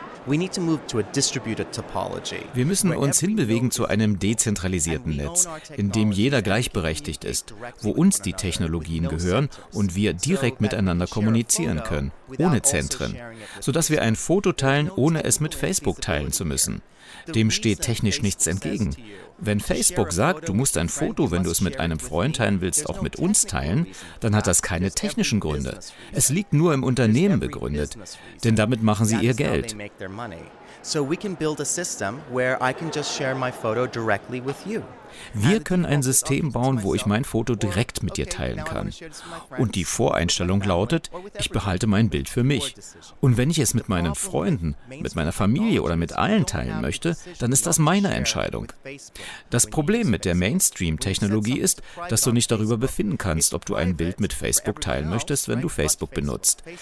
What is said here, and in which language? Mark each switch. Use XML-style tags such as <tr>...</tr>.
<de>Wir müssen uns hinbewegen zu einem dezentralisierten Netz, in dem jeder gleichberechtigt ist, wo uns die Technologien gehören und wir direkt miteinander kommunizieren können, ohne Zentren, sodass wir ein Foto teilen, ohne es mit Facebook teilen zu müssen. Dem steht technisch nichts entgegen. Wenn Facebook sagt, du musst ein Foto, wenn du es mit einem Freund teilen willst, auch mit uns teilen, dann hat das keine technischen Gründe. Es liegt nur im Unternehmen begründet, denn damit machen sie ihr Geld.</de> <en>So we can build a system where I can just share my photo directly with you.</en> <de>Wir können ein System bauen, wo ich mein Foto direkt mit dir teilen kann. Und die Voreinstellung lautet, ich behalte mein Bild für mich. Und wenn ich es mit meinen Freunden, mit meiner Familie oder mit allen teilen möchte, dann ist das meine Entscheidung. Das Problem mit der Mainstream-Technologie ist, dass du nicht darüber befinden kannst, ob du ein Bild mit Facebook teilen möchtest, wenn du Facebook benutzt.</de>